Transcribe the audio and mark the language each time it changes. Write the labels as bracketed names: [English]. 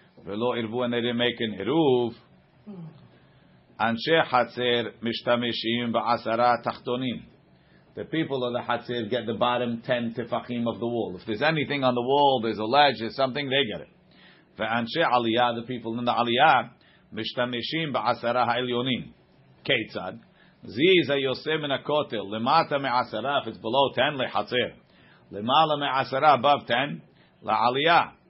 [Hebrew] ולא ערבו הנרים מקן עירוב, אנשי חצר משתמשים בעשרה תחתונים. [English] The people of the chatzir get the bottom 10 tefachim of the wall. If there's anything on the wall, there's a ledge, there's something, they get it. [Hebrew] ואנשי עלייה, [English] the people in the [Hebrew] עלייה, משתמשים בעשרה העליונים. כיצד? זיז היוסף מן הכותל, למטה מעשרה, [English] if it's below 10, [Hebrew] לחצר. למעלה מעשרה, [English] above 10, [Hebrew] לעלייה.